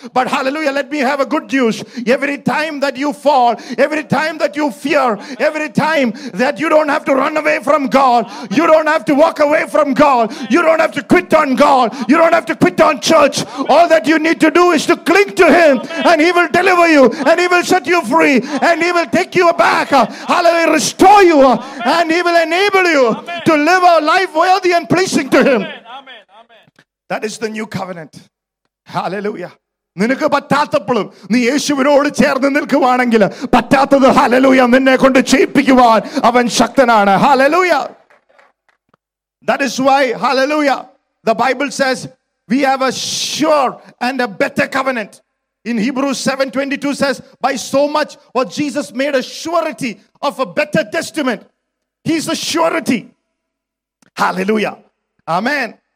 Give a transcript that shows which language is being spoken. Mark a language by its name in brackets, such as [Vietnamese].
[English] But hallelujah, let me have a good news. Every time that you fall, every time that you fear, every time that you don't have to run away from God, you don't have to walk away from God, you don't have to quit on God, you don't have to quit on church. All that you need to do is to cling to him, and he will deliver you, and he will set you free, and he will take you back, hallelujah, restore you, and he will enable you, amen, to live a life worthy and pleasing to him. Amen. Amen. That is the new covenant. Hallelujah. [Malayalam] നിനക്ക് പറ്റാത്തപ്പോഴും നീ യേശുവിനോട് ചേർന്ന് നിൽക്കുവാണെങ്കിൽ പറ്റാത്തത് hallelujah നിന്നെ കൊണ്ട് ചെയ്യിപ്പിക്കുവാൻ അവൻ ശക്തനാണ്. Hallelujah. [English] That is why, hallelujah, the Bible says we have a sure and a better covenant. In Hebrews 7:22 says, "By so much was Jesus made a surety of a better testament." He's a surety. Hallelujah. Amen.